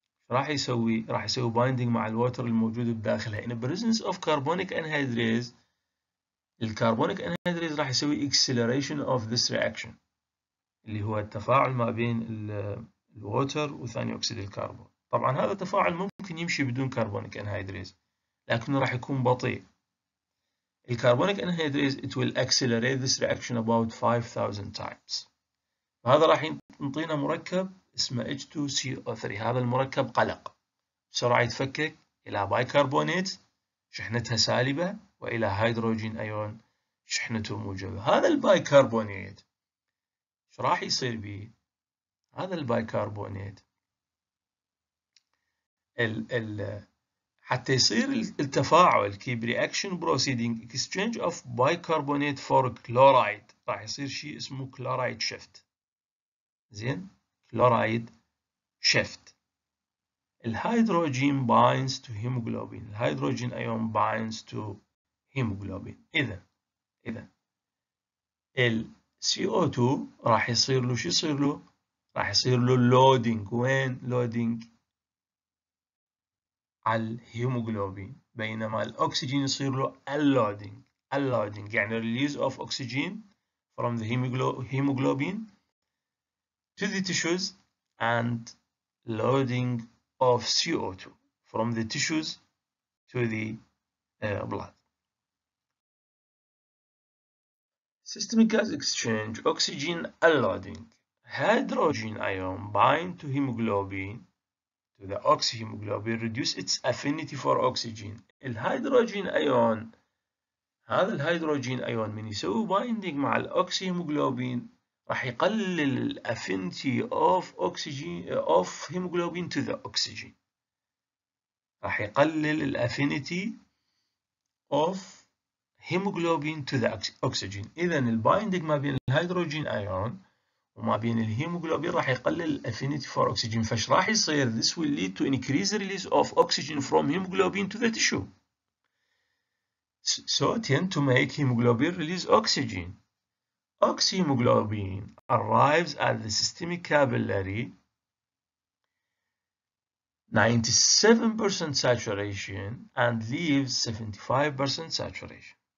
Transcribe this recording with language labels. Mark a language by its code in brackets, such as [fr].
[ar] راح يسوي؟ راح يسوي بايندينج مع الووتر الموجود بداخلها. [en] in presence of carbonic anhydrase [ar] الكربونيك انهيدريز راح يسوي [en] acceleration of this reaction [ar] اللي هو التفاعل ما بين الووتر وثاني اكسيد الكربون. طبعا هذا التفاعل ممكن يمشي بدون كربونيك انهيدريز لكنه راح يكون بطيء. الكربونيك انهيدريز [en] it will accelerate this reaction about 5000 times. [ar] فهذا راح ينطينا مركب اسمه H2CO3. هذا المركب قلق بسرعة يتفكك الى بايكربونيت شحنتها سالبة والى هيدروجين ايون شحنته موجبة. هذا البايكربونيت ايش راح يصير به؟ هذا البايكربونيت حتى يصير التفاعل [en] keep reaction proceeding exchange of bicarbonate for chloride [ar] راح يصير شيء اسمه chloride shift. زين كلورايد شيفت. الهيدروجين [en] binds to hemoglobin. [ar] الهيدروجين ايون binds to hemoglobin. اذا ال CO2 راح يصير له شو يصير له؟ راح يصير له لودينج. وين لودينج؟ على الهيموجلوبين. بينما الاكسجين يصير له اللودينج. اللودينج يعني [en] release of oxygen from the hemoglobin to the tissues and loading of CO2 from the tissues to the blood. Systemic gas exchange, oxygen unloading. Hydrogen ion bind to hemoglobin, to the oxyhemoglobin, reduce its affinity for oxygen. [ar] الهيدروجين ايون هذا الهيدروجين ايون من يسوي binding مع الاكسيهيموجلوبين راح يقلل [en] الافينتي of oxygen of haemoglobin to the oxygen. راح يقلل الافينتي of haemoglobin to the oxygen. [ar] اذا البايندينج ما بين الهيدروجين ايون وما بين الهيموجلوبين راح يقلل [en] الافينتي for oxygen. [ar] فايش راح يصير؟ [en] This will lead to increase release of oxygen from hemoglobin to the tissue. So tend to make hemoglobin release oxygen. Oxyhemoglobin arrives at the systemic capillary 97% saturation and leaves 75% saturation.